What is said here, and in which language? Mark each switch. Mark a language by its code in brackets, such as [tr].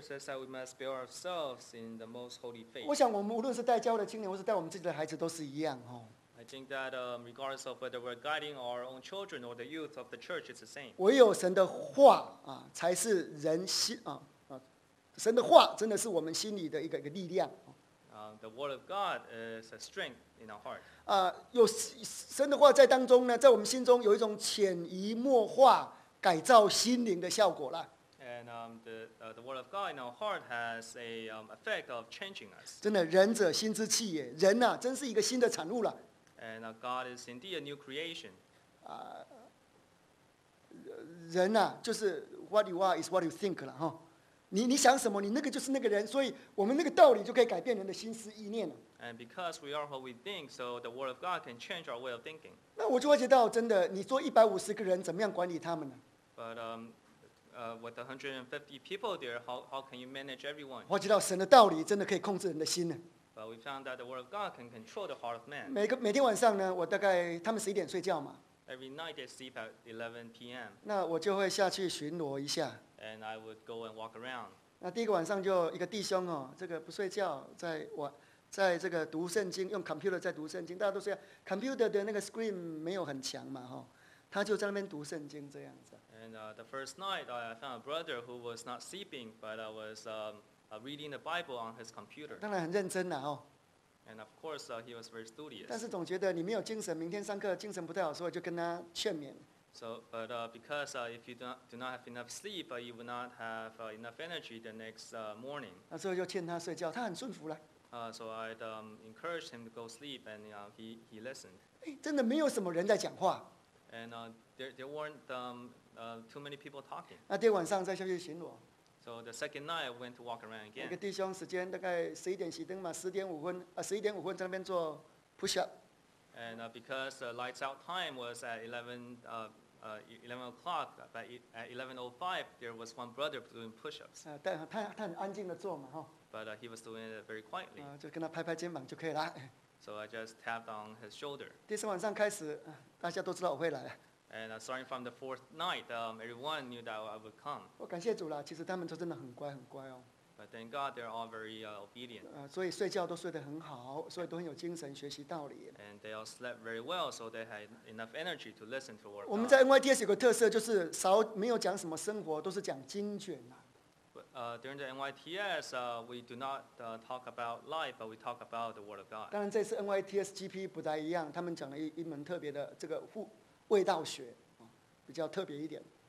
[en] says that we must build ourselves in the most holy faith. [zh] 我想我们无论是带教会的青年，或是带我们自己的孩子，都是一样。 [en] I think that regardless of whether we're guiding our own children or the youth of the church, it's the same. [zh] 唯有神的话才是人心，神的话真的是我们心里的一个力量。 [en] The word of God is a strength in our heart. [zh] 有神的话在当中呢，在我们心中有一种潜移默化改造心灵的效果了。 [en] And the word of God in our heart has a effect of changing us. [zh] 真的，仁者心之气也，人呐，真是一个新的产物了。 [en] And God is indeed a new creation. [zh] 人呐，就是 [en] what you are is what you think [zh] 了哈。你想什么，你那个就是那个人，所以我们那个道理就可以改变人的心思意念了。 [en] And because we are what we think, so the word of God can change our way of thinking. [zh] 那我就会觉得，真的，你做150个人，怎么样管理他们呢？ [en] But with 150 people there, how can you manage everyone? [zh] 我知道神的道理真的可以控制人的心呢。 [en] But we found that the word of God can control the heart of man. [zh] 每天晚上呢，我大概他们11点睡觉嘛。 [en] Every night they sleep at 11 p.m. [zh] 那我就会下去巡逻一下。 [en] And I would go and walk around. [zh] 那第一个晚上就一个弟兄哦，这个不睡觉，在我。在这个读圣经，用 computer 在读圣经，大家都是要 computer 的那个 screen 没有很强嘛，他就在那边读圣经这样子。 [en] And the first night, I found a brother who was not sleeping, but I was reading the Bible on his computer. [zh] 当然很认真了，哦。 [en] And of course, he was very studious. [zh] 但是总觉得你没有精神，明天上课精神不太好，所以就跟他劝勉。 [en] So, but because if you do not have enough sleep, you will not have enough energy the next morning. [zh] 那时候就劝他睡觉，他很顺服了。 [en] So I'd encourage him to go sleep, and he listened. [zh] 真的没有什么人在讲话。 [en] And there weren't too many people talking. [zh] 那第二晚上再下去巡逻。 [en] So the second night, I went to walk around again. [zh] 一个弟兄时间大概十一点熄灯嘛，十点五分，十一点五分在那边做 push up. [en] And because the lights out time was at 11 o'clock, but at 11:05, there was one brother doing push ups. [zh] 但他很安静的做嘛，哈。 [en] But he was doing it very quietly. [zh] 就跟他拍拍肩膀就可以了。 [en] So I just tapped on his shoulder. [zh] 第四晚上开始，大家都知道我会来。 [en] And starting from the fourth night, everyone knew that I would come. [zh] 我感谢主啦, 其实他们都真的很乖很乖哦。 [en] But thank God, they're all very obedient. [zh] 所以睡觉都睡得很好, 所以都很有精神, 学习道理。 [en] And they all slept very well, so they had enough energy to listen to our God. [zh] 我们在 NYTS 有个特色, 就是少, 没有讲什么生活, 都是讲经卷啦。 [en] During the NYTS, we do not talk about life, but we talk about the Word of God. [zh] 当然这次 NYTS GP 不太一样, 他们讲了一门特别的这个味道学, 比较特别一点。